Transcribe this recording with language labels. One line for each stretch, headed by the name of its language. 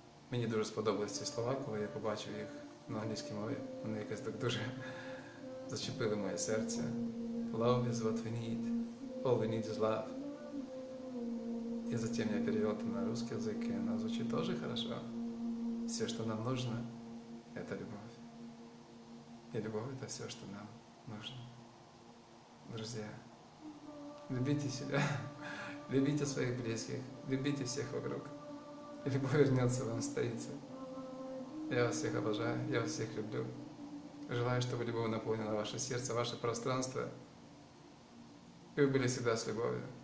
Ukrainian: Мені дуже сподобалось ці слова, коли я побачив їх на англійській мові. Вони якось так дуже зачепили моє серце.
English: Love is what we need. All we need is love.
Ukrainian: І затем я перевів це на русский язык, і воно звучить теж хорошо.
Russian: Все, що нам нужно, это любов. І любов это все, що нам нужно. Друзья, любите себя, любите своих близких, любите всех вокруг. И любовь вернется вам, состоится. Я вас всех обожаю, я вас всех люблю. Желаю, чтобы любовь наполнила ваше сердце, ваше пространство. И вы были всегда с любовью.